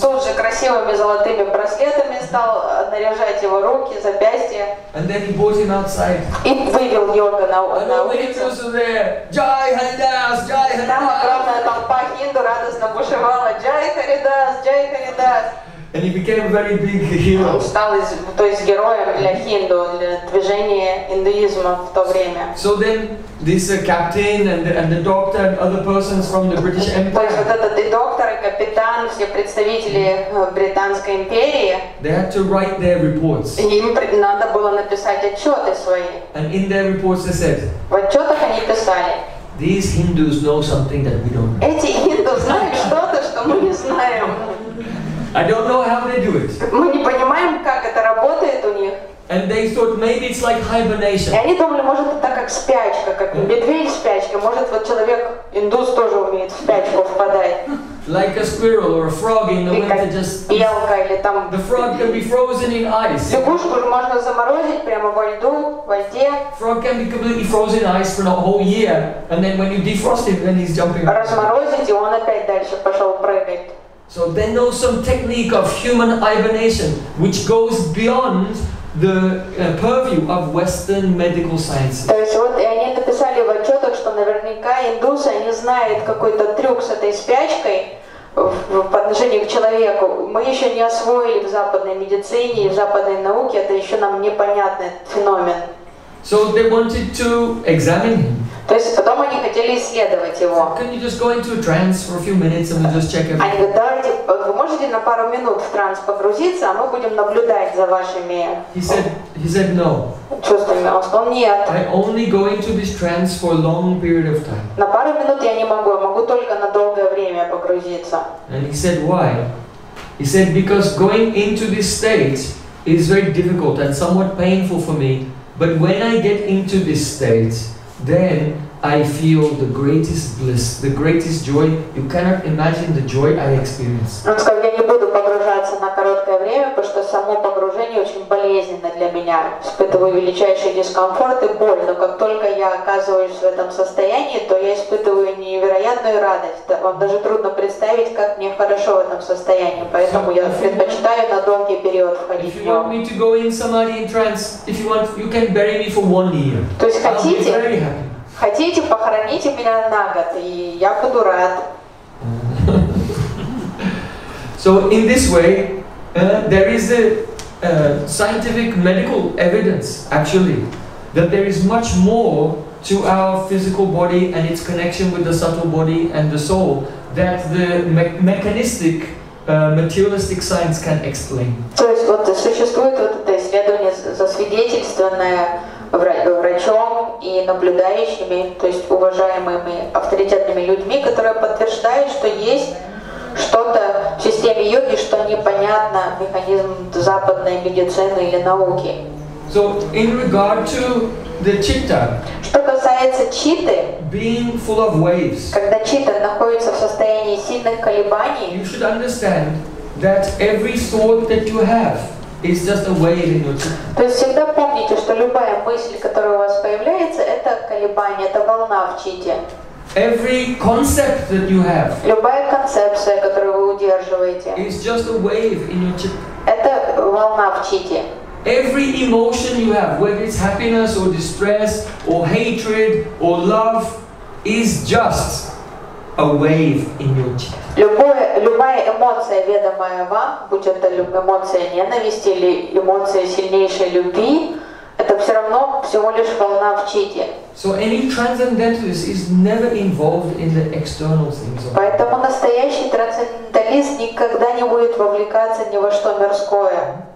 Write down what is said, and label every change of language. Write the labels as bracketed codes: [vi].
[ru] Тут же красивыми золотыми браслетами стал наряжать его руки, запястья. [en] And then he brought him outside. [ru] И вывел йога на улицу. [en] And all the hindus were there. [hi] Jai Haridas, Jai [en] Haridas. [ru] Радостно бушевала [hi] Джай Харидас, Джай Харидас. [en] And he became a very big hero. [ru] Он стал героем для хинду, для движения индуизма в то время. [en] So then this captain and the doctor and other persons from the British Empire. [ru] То есть вот этот и доктор, и капитан, все представители Британской империи. [en] They had to write their reports. [ru] Им надо было написать отчеты свои. [en] And in their reports they said. [ru] В отчетах они писали. [en] These Hindus know something that we don't know. [ru] Эти хинду знают что-то, что мы не знаем. [en] I don't know how they do it. [ru] Мы не понимаем, как это работает у них. [en] And they thought maybe it's like hibernation. [ru] И они думали, может это как спячка, как медведь спячка, может вот человек индус тоже умеет в спячку впадать. [en] Like a squirrel or a frog in the winter, just [ru] белка или там. [en] The frog can be frozen in ice. [ru] Лягушку можно заморозить прямо во льду, во льде. [en] Frog can be completely frozen in ice for a whole year, and then when you defrost it, then he's jumping. [ru] Разморозить и он опять дальше пошел прыгать. [en] So they know some technique of human hibernation which goes beyond the purview of Western medical sciences. [ru] То есть вот и они написали в отчетах, что наверняка индусы они знают какой-то трюк с этой спячкой по отношению к человеку. Мы еще не освоили в западной медицине и в западной науке, это еще нам непонятный феномен. [en] So they wanted to examine him. [ru] То есть потом они хотели исследовать его. [en] Can you just go into a trance for a few minutes and we'll just check him? [ru] Они говорят, давайте, вы можете на пару минут в транс погрузиться, а мы будем наблюдать за вашими. [en] He said no. [ru] Чувствами. Он сказал нет. [en] I only go into this trance for a long period of time. [ru] На пару минут я не могу, я могу только на долгое время погрузиться. [en] And he said why? He said because going into this state is very difficult and somewhat painful for me. But when I get into this state, then I feel the greatest bliss, the greatest joy. You cannot imagine the joy I experience. [ru] Он сказал, я не буду погружаться на короткое время, потому что само погружение очень болезненно для меня. Испытываю величайший дискомфорт и боль. Но как только я оказываюсь в этом состоянии, то я испытываю невероятную радость. Вам даже трудно представить, как мне хорошо в этом состоянии. Поэтому я предпочитаю на долгий период входить в него. [en] If you want me to go in samadhi in trance, if you want, you can bury me for 1 year. [ru] То есть хотите, похороните меня на год, и я буду рад. [en] So in this way, there is the scientific medical evidence actually that there is much more to our physical body and its connection with the subtle body and the soul that the mechanistic materialistic science can explain. [ru] То есть вот существует вот это исследование, засвидетельствованное врачом и наблюдающими, то есть уважаемыми авторитетными людьми, которые подтверждают, что есть что-то в системе йоги, что непонятно механизм западной медицины или науки. [en] So in regard to the chitta, [ru] что касается читы, [en] being full of waves, [ru] когда читта находится в состоянии сильных колебаний, [en] you should understand that every thought that you have is just a wave in your chitta. [ru] То есть всегда помните, что любая мысль, которая у вас появляется, это колебание, это волна в читте. [en] Every concept that you have, [ru] любая концепция, которую вы удерживаете, [en] is just a wave in your chitta. [ru] Это волна в читте. [en] Every emotion you have, whether it's happiness or distress or hatred or love, is just a wave in your chest. [ru] Любая эмоция, ведомая вам, будь это эмоция ненависти или эмоция сильнейшей любви, это все равно всего лишь волна в чите. [en] So any transcendentalist is never involved in the external things. [ru] Поэтому настоящий трансценденталист никогда не будет вовлекаться ни во что мирское.